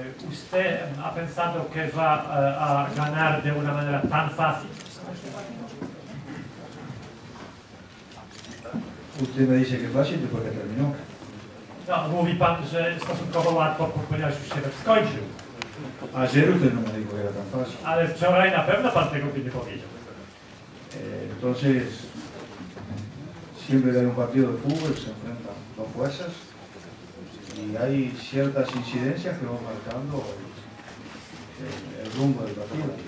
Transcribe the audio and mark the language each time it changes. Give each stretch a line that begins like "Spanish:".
Spanish: Usted ha pensado que va a ganar de una manera tan fácil. Usted me dice que es fácil porque terminó.
Polish: No, mówi pan, że stosunkowo łatwo, ponieważ już się też skończył.
Spanish: Ayer usted no me dijo que era tan fácil.
Polish: Ale wczoraj na pewno pan tego by nie powiedział.
Spanish: Entonces, siempre hay un partido de fútbol, se enfrentan dos fuerzas. Y hay ciertas incidencias que van marcando el rumbo del partido.